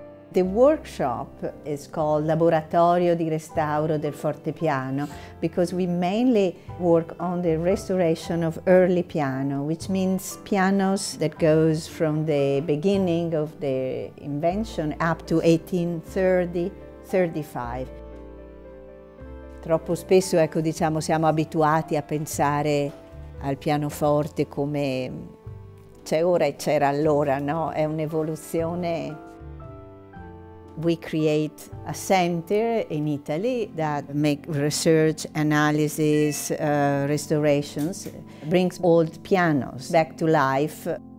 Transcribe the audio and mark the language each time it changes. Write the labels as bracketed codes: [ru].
[en] The workshop is called Laboratorio di Restauro del Fortepiano because we mainly work on the restoration of early piano, which means pianos that goes from the beginning of the invention up to 1830-35. [it] Troppo spesso, ecco, diciamo, siamo abituati a pensare al pianoforte come c'è ora e c'era allora, no? È un'evoluzione. [en] We create a center in Italy that makes research, analysis, restorations, brings old pianos back to life.